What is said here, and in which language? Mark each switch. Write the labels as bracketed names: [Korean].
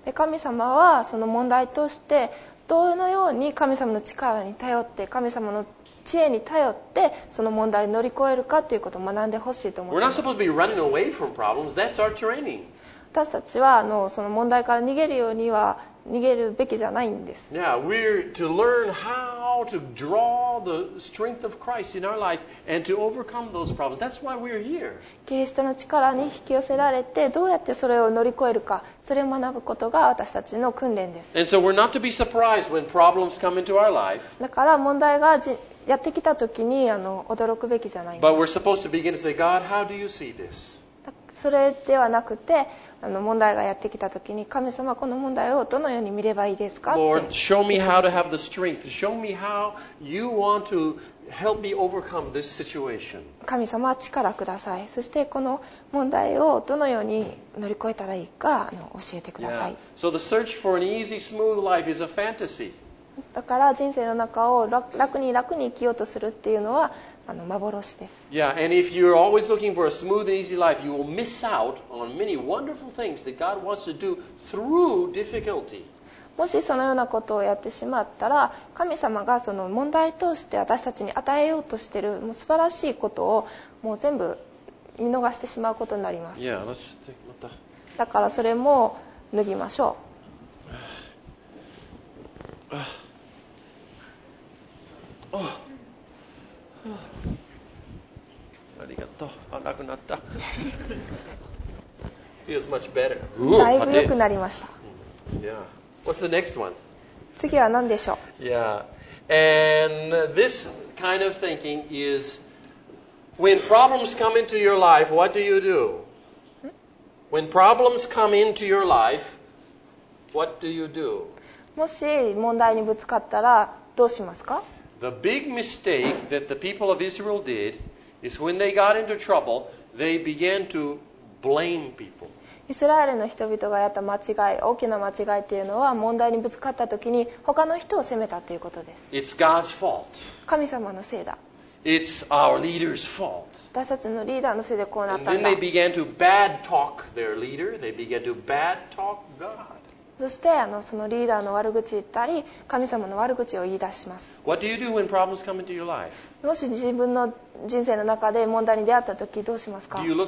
[Japanese] 神様はその問題としてどのように神様の力に頼って神様の知恵に頼ってその問題を乗り越えるかということを学んでほしいと思います。 [English] We're not supposed to be running away from problems. That's our training. [Japanese] 私たちはその問題から逃げるようには逃げるべきじゃないんです。 [English] Yeah, we're to learn how to draw the strength of Christ in our life and to overcome those problems. That's why we're here. [Japanese] キリストの力に引き寄せられてどうやってそれを乗り越えるか、それを学ぶことが私たちの訓練です。 [English] And so we're not to be surprised when problems come into our life. [Japanese] だから問題がやってきた時に驚くべきじゃないんです。 [English] But we're supposed to begin to say, God, how do you see this? [Japanese] それではなくて問題がやってきたときに神様この問題をどのように見ればいいですか。 [English] Lord, show me how to have the strength. Show me how you want to help me overcome this situation. [Japanese] 神様力ください。そしてこの問題をどのように乗り越えたらいいか教えてください。 [English] So the search for an easy, smooth life is a fantasy. [Japanese] だから人生の中を楽に楽に生きようとするっていうのは幻です。 [English] Yeah, and if you're always looking for a smooth and easy life, you will miss out on many wonderful things that God wants to do through difficulty. [Japanese] もしそのようなことをやってしまったら、神様がその問題として私たちに与えようとしているもう素晴らしいことをもう全部見逃してしまうことになります。 [English] Yeah, let's just take [Japanese] また。だからそれも脱ぎましょう。ありがとう。楽になった。 [English] Feels much better. [Japanese] だいぶ良くなりました。 [English] Yeah. What's the next one? [Japanese] 次は何でしょう。 [English] Yeah. And this kind of thinking is when problems come into your life, what do you do? When problems come into your life, what do you do? [Japanese] もし問題にぶつかったらどうしますか？ [English] The big mistake that the people of Israel did is when they got into trouble, they began to blame people. [Japanese] イスラエルの人々がやった間違い、大きな間違いというのは問題にぶつかったときに他の人を責めたということです。 [English] It's God's fault. [Japanese] 神様のせいだ。 [English] It's our leader's fault. [Japanese] 私たちのリーダーのせいでこうなったんだ。 [English] And then they began to bad talk their leader. They began to bad talk God. [Japanese] そしてそのリーダーの悪口言ったり神様の悪口を言い出します。もし自分の人生の中で問題に出会った時どうしますか。